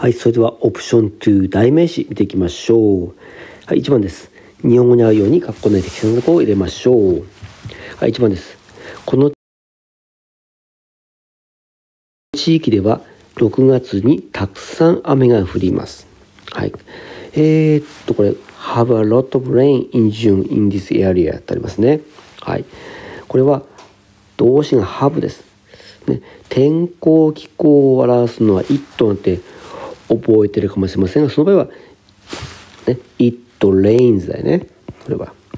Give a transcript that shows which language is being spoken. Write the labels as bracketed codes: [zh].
[ja] はい、それではオプション2、代名詞見ていきましょう。はい、1番です。日本語に合うように括弧内適切な語を入れましょう。はい、1番です。この地域では6月にたくさん雨が降ります。はい、これ、 [en] Have a lot of rain in June in this area [ja] ってありますね。はい、これは動詞が Have です。ね、天候気候を表すのは It なんて覚えてるかもしれませんが、その場合は、ね、 [en] It rains [ja] だよね。これは。